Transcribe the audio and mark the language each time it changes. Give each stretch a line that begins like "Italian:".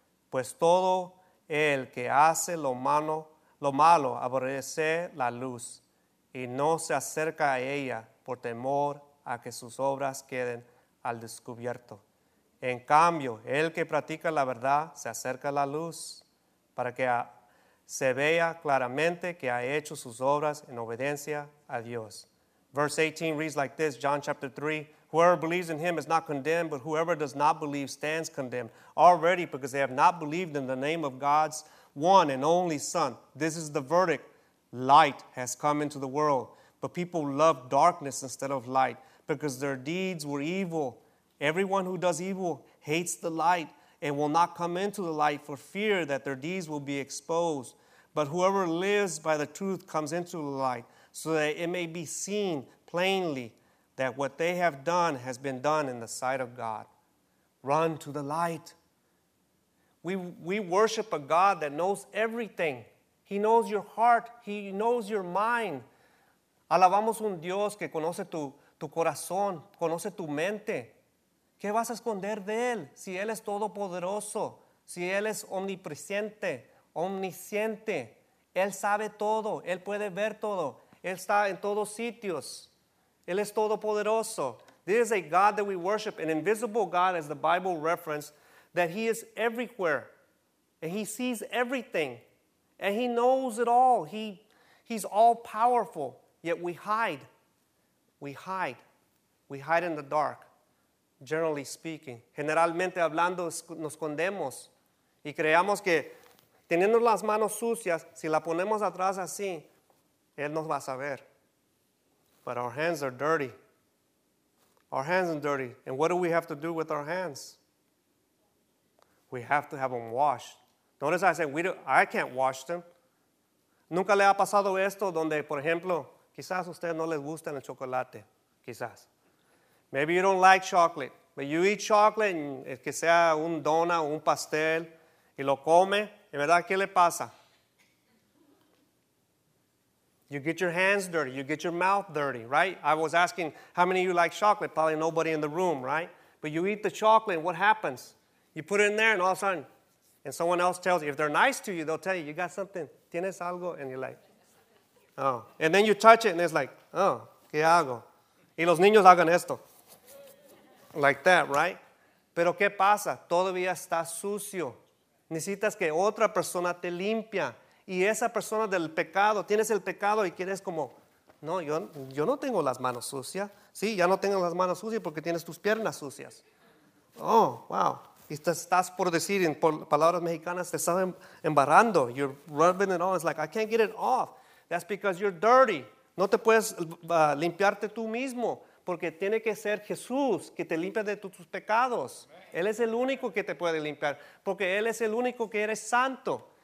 Spanish: Pues todo el que hace lo malo aborrece la luz y no se acerca a ella por temor a que sus obras queden al descubierto. En cambio, el que practica la verdad se acerca a la luz para que se vea claramente que ha hecho sus obras en obediencia a Dios.
English: Verse 18 reads like this, John chapter 3. Whoever believes in him is not condemned, but whoever does not believe stands condemned already because they have not believed in the name of God's one and only Son. This is the verdict. Light has come into the world, But people love darkness instead of light because their deeds were evil. Everyone who does evil hates the light and will not come into the light for fear that their deeds will be exposed. But whoever lives by the truth comes into the light so that it may be seen plainly that what they have done has been done in the sight of God. Run to the light. We worship a God that knows everything. He knows your heart. He knows your mind.
Spanish: Alabamos un Dios que conoce tu corazón, conoce tu mente. ¿Qué vas a esconder de Él si Él es todopoderoso? Si Él es omnipresente, omnisciente. Él sabe todo. Él puede ver todo. Él está en todos sitios. Él es todopoderoso.
English: This is a God that we worship, an invisible God, as the Bible referenced, that He is everywhere. And He sees everything. And He knows it all. He's all powerful. Yet we hide. We hide. We hide in the dark. Generally speaking,
Spanish: generalmente hablando, nos escondemos y creamos que teniendo las manos sucias, si la ponemos atrás así, Él nos va a saber.
English: But our hands are dirty. Our hands are dirty. And what do we have to do with our hands? We have to have them washed. Notice I said, I can't wash them.
Spanish: Nunca le ha pasado esto donde, por ejemplo, quizás a usted no les gusta el chocolate, quizás.
English: Maybe you don't like chocolate, but you eat chocolate, and
Spanish: que sea un donut, un pastel, y lo come, ¿y verdad qué le pasa?
English: You get your hands dirty, you get your mouth dirty, right? I was asking, how many of you like chocolate? Probably nobody in the room, right? But you eat the chocolate, what happens? You put it in there, and all of a sudden, and someone else tells you, if they're nice to you, they'll tell you, you got something,
Spanish: tienes algo,
English: and you're like, oh. And then you touch it, and it's like, oh,
Spanish: ¿qué hago? Y los niños hagan esto.
English: Like that, right?
Spanish: Pero ¿qué pasa? Todavía está sucio. Necesitas que otra persona te limpia. Y esa persona del pecado, tienes el pecado y quieres como, no, yo no tengo las manos sucias. Sí, ya no tengo las manos sucias porque tienes tus piernas sucias.
English: Oh, wow.
Spanish: Y te estás por decir, en palabras mexicanas, te estás embarrando.
English: You're rubbing it on. It's like, I can't get it off. That's because you're dirty.
Spanish: No te puedes limpiarte tú mismo, porque tiene que ser Jesús que te limpia de tus pecados. Él es el único que te puede limpiar, porque Él es el único que eres santo.